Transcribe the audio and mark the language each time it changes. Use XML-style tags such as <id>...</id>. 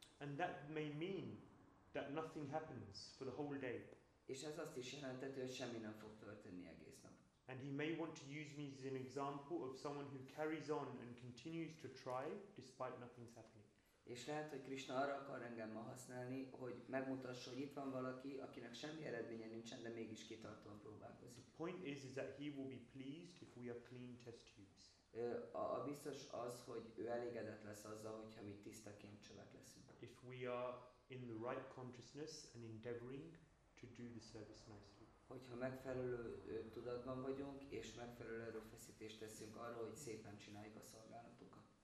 <en>And that may mean that nothing happens for the whole day.</en> <hu>És ez azt is jelenteti, hogy semmi nem fog történni egész nap.</hu> <en>And he may want to use me as an example of someone who carries on and continues to try despite nothing's happening.</en> <hu>És lehet, hogy Krishna arra akar engem ma használni, hogy megmutassa, hogy itt van valaki, akinek semmi eredménye nincsen, de mégis kitartóan próbálkozik.</hu> <en>Point is that he will be pleased if we are clean test tubes.</en> <hu>A biztos az, hogy ő elégedett lesz azzal, hogyha mi tiszta kémcsövek leszünk.</hu> <en>If we are in the right consciousness and endeavoring to do the service nicely.</en> <hu>Hogyha megfelelő tudatban vagyunk, és megfelelő erőfeszítést teszünk arra, hogy szépen csináljuk a szolgálatunkat.</hu>